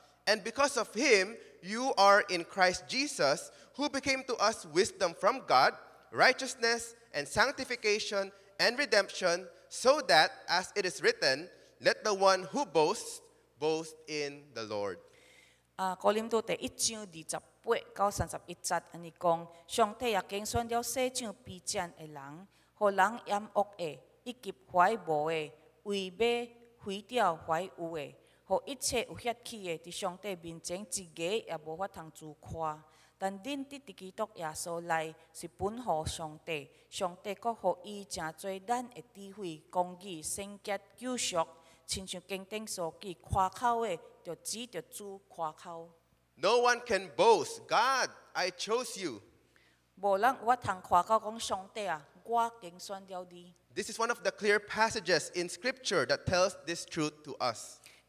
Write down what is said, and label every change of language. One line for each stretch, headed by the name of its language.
English: And because of Him, you are in Christ Jesus, who became to us wisdom from God, righteousness and sanctification and redemption, so that, as it is written, let the one who boasts, boast in the Lord.
Min Nan Chinese: Corinto 1:28-31, 安尼讲，上帝也拣选了世上卑贱的人，和人厌恶的，以及怀无的，为要毁掉怀有的，和一切有血气的，在上帝面前一个也无法通自夸。但恁伫基督耶稣内是本乎上帝，上帝阁予伊真侪咱的智慧、公义、圣洁、救赎，亲像经典所记，夸口的就指着主夸口。
English: No one can boast, God, I chose you.
Min Nan Chinese: 无人有法通夸口讲上帝啊，我拣选了你。
English: This is one of the clear passages in Scripture that tells this truth to us.